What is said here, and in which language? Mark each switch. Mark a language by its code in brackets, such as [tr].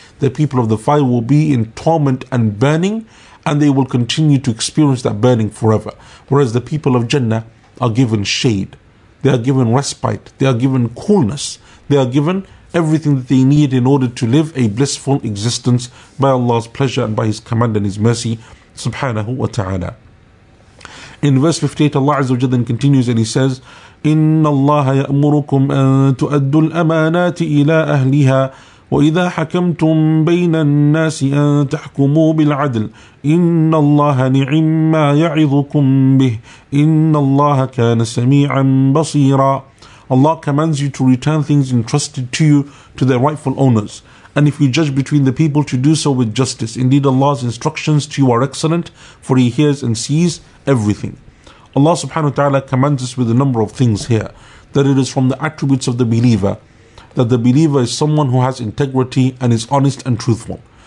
[en] The people of the fire will be in torment and burning, and they will continue to experience that burning forever. Whereas the people of Jannah are given shade, they are given respite, they are given coolness, they are given everything that they need in order to live a blissful existence by Allah's pleasure and by His command and His mercy, subhanahu wa ta'ala. In verse 58, Allah Azza wa Jalla continues and He says, [ar] إِنَّ اللَّهَ يَأْمُرُكُمْ أَن تُؤَدُّوا الْأَمَانَاتِ إِلَىٰ أَهْلِهَا وَإِذَا حَكَمْتُمْ بَيْنَ النَّاسِ أَن تَحْكُمُوا بِالْعَدْلِ إِنَّ اللَّهَ نِعِمَّا يَعِظُكُمْ بِهِ إِنَّ اللَّهَ كَانَ سَمِيعًا بَصِيرًا. [en] Allah commands you to return things entrusted to you to their rightful owners. And if you judge between the people, to do so with justice. Indeed, Allah's instructions to you are excellent, for He hears and sees everything. Allah subhanahu wa ta'ala commands us with a number of things here, that it is from the attributes of the believer, that the believer is someone who has integrity and is honest and truthful.